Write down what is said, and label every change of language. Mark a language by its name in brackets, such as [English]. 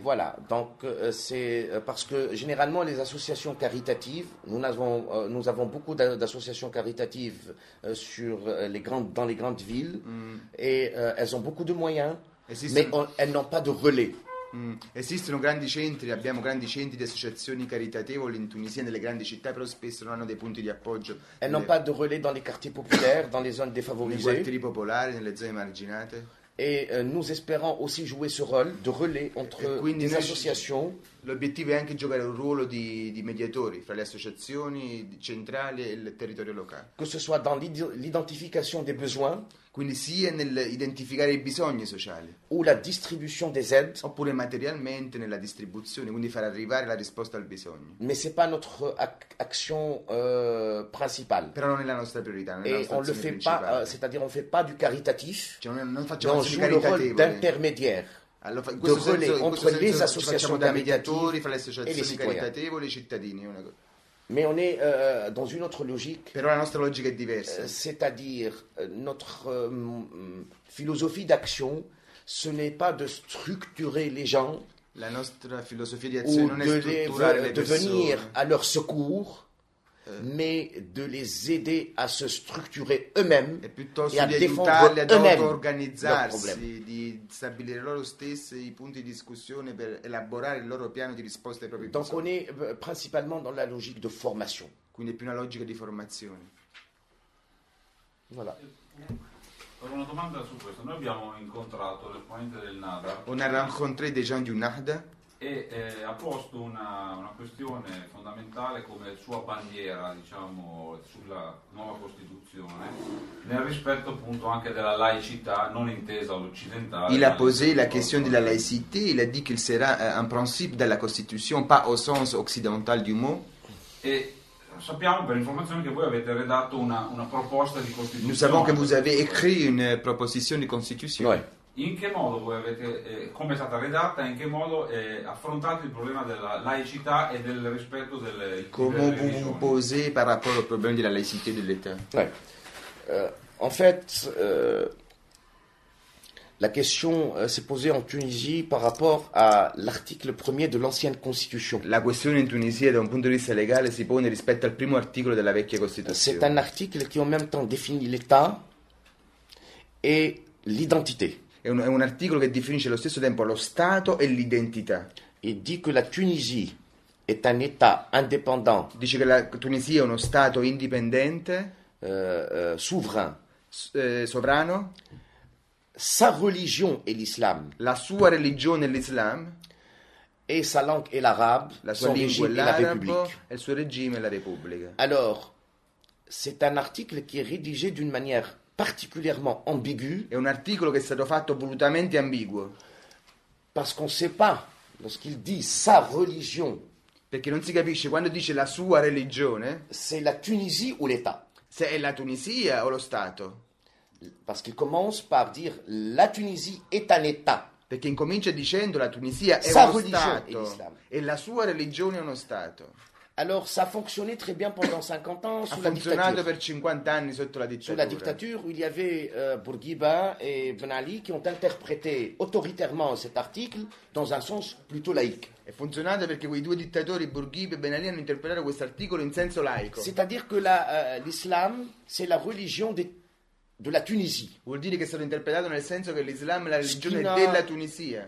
[French] Voilà, donc c'est parce que généralement les associations caritatives, nous avons beaucoup d'associations caritatives dans les grandes villes et elles ont beaucoup de moyens, mais elles n'ont pas de relais. [Italian] Esistono grandi centri, abbiamo grandi centri di associazioni caritatevoli in Tunisia, nelle grandi città, però spesso non hanno dei punti di appoggio. [French] Elles n'ont pas de relais dans les quartiers populaires, dans les zones défavorisées. [Italian] Nei quartieri popolari, nelle zone emarginate. [French] Et nous espérons aussi jouer ce rôle de relais entre les associations. [Italian] L'obiettivo è anche giocare un ruolo di mediatori fra le associazioni centrali e il territorio locale. [French] Que ce soit dans l'identification des besoins. [Italian] Quindi sia nell'identificare i bisogni sociali. [French] O la distribution des aides. [Italian] Oppure materialmente nella distribuzione, quindi far arrivare la risposta al bisogno. [French] Mais c'est pas notre action principale. [Italian] Però non è la nostra priorità. [French] Et on le fait pas, c'est-à-dire on fait pas du caritatif. [Italian] Cioè non facciamo azioni caritatevole. [French] On joue le rôle d'intermédiaire. [Italian] Allora, in questo senso, entre in questo senso facciamo da mediatori fra le associazioni caritatevoli e i cittadini. Una cosa. [French] Mais on est dans une autre logique. [Italian] Però la nostra logica è diversa. [French] C'est-à-dire notre philosophie d'action, ce n'est pas de structurer les gens. [Italian] La nostra filosofia di azione non è strutturare le persone. [French] De venir à leur secours, mais de les aider à se structurer eux-mêmes [Italian] e piuttosto di aiutarli ad auto-organizzarsi, di stabilire loro stessi i punti di discussione per elaborare il loro piano di risposta ai propri bisogni. [French] Donc on est principalement dans la logique de formation. [Italian] Quindi è più una logica di formazione. [French] Voilà. [Italian] Ho una domanda su questo. Noi abbiamo incontrato l'esponente del NADA. [French] On a rencontré des gens du NADA. [Italian] E ha posto una questione fondamentale come sua bandiera, diciamo, sulla nuova Costituzione, nel rispetto appunto anche della laicità non intesa occidentale. [French] Il ha posé [Italian] la questione della laicità, il ha detto che sarà un principio della Costituzione, [French] pas au sens occidental du mot. [Italian] E sappiamo per informazione che voi avete redatto una proposta di Costituzione. [French] Nous savons que vous avez écrit une proposition de Constitution. Ouais. [Italian] In che modo voi avete, come è stata redatta, in che modo affrontate il problema della laicità e del rispetto delle [French] Comment vous religioni? Vous posez par rapport au problème de la laïcité de l'État? Ouais. En fait, la question s'est posée en Tunisie par rapport à l'article 1er de l'ancienne constitution. [Italian] La question in Tunisia da un punto di vista legale si pone rispetto al primo articolo della vecchia costituzione. [French] C'est un article qui en même temps définit l'État et l'identité. [Italian] È un articolo che definisce allo stesso tempo lo Stato e l'identità. [French] Et dit que la Tunisie est un État indépendant. [Italian] Dice che la Tunisia è uno Stato indipendente. [French] Souverain. [Italian] Sovrano. [French] Sa religion est l'islam. [Italian] La sua religione è l'islam. [French] Et sa langue est l'arabe. [Italian] La sua lingua è l'arabo. E il suo regime è la Repubblica. [French] Alors, c'est un article qui est rédigé d'une manière particulièrement ambigu. [Italian] È un articolo che è stato fatto volutamente ambiguo. [French] Parce qu'on sait pas lorsqu'il dit sa religion. [Italian] Perché non si capisce quando dice la sua religione. [French] C'est la Tunisie ou l'État. [Italian] Se è la Tunisia o lo Stato. [French] Parce qu'il commence par dire la Tunisie est un État. [Italian] Perché incomincia dicendo la Tunisia è [French] sa [Italian] uno Stato. E la sua religione è uno Stato. [French] Alors ça fonctionnait très bien pendant 50 ans sous la dictature. [Italian] Ha funzionato per 50 anni sotto la dittatura. [French] Sous la dictature, il y avait Bourguiba et Ben Ali qui ont interprété autoritairement cet article dans un sens plutôt laïque. [Italian] È funzionato perché quei due dittatori Bourguiba e Ben Ali hanno interpretato questo articolo in senso laico. [French] C'est-à-dire que la l'islam, c'est la religion de la Tunisie. [Italian] Vuol dire che è stato interpretato nel senso che l'islam è la religione della Tunisia.